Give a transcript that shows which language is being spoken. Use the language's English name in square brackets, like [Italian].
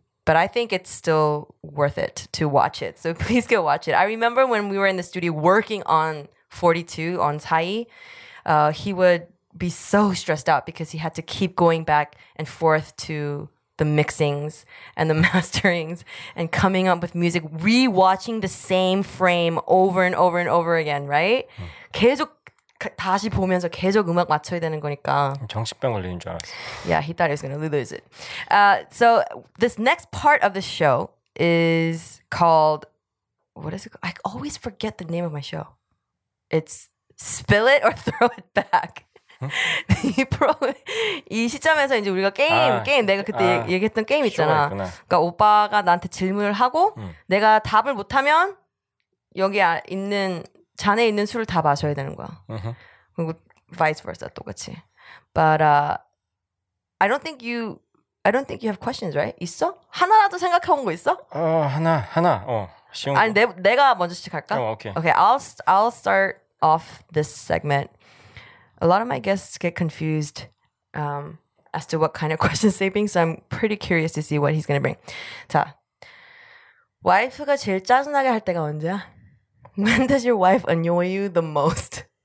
[English] But I think it's still worth it to watch it. So please go watch it. I remember when we were in the studio working on 42 on 사이, he would be so stressed out because he had to keep going back and forth to the mixings and the masterings and coming up with music, re-watching the same frame over and over and over again, right? [Korean] 계속 다시 보면서 계속 음악 맞춰야 되는 거니까. 정신병 걸리는 줄 알았어. [English] Yeah, he thought he was going to lose it. So this next part of the show is called, what is it called? I always forget the name of my show. It's Spill It or Throw It Back. [Korean] 이 프로그램, 이 시점에서 이제 우리가 게임, 아, 게임, 내가 그때 아, 얘기했던 게임 있잖아. 그러니까 오빠가 나한테 질문을 하고 내가 답을 못하면 여기 있는 잔에 있는 술을 다 마셔야 되는 거야. 그리고 [English] vice versa [Korean] 똑같이. [English] But I don't think you have questions, right? [Korean] 있어? 하나라도 생각해온 거 있어? 하나. 쉬운 아니 내 내가 먼저 시작할까? [English] 어, okay. Okay, I'll start off this segment. A lot of my guests get confused as to what kind of questions they bring, so I'm pretty curious to see what he's gonna bring. [Korean] 자, 와이프가 제일 짜증나게 할 때가 언제야? [English] When does your wife annoy you the most?